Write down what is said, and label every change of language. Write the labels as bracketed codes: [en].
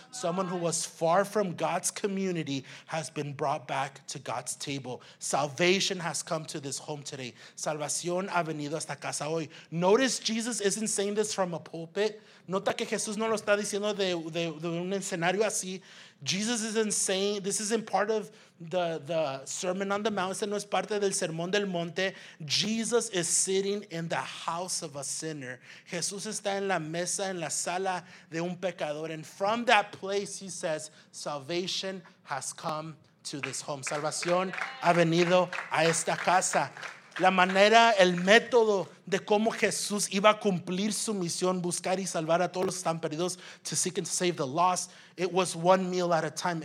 [en] Someone who was far from God's community has been brought back to God's table. Salvation has come to this home today. [es] Salvación ha venido a esta casa hoy. [en] Notice Jesus isn't saying this from a pulpit. [es] Nota que Jesús no lo está diciendo de un escenario así. [en] Jesus isn't saying, this isn't part of the Sermon on the Mount. [es] Este no es parte del Sermón del Monte. [en] Jesus is sitting in the house of a sinner. [es] Jesús está en la mesa, en la sala de un pecador. [en] And from that place, he says, salvation has come to this home. [es] Salvación ha venido a esta casa. La manera, el método de cómo Jesús iba a cumplir su misión, buscar y salvar a todos los que están perdidos, [en] to seek and save the lost, it was one meal at a time.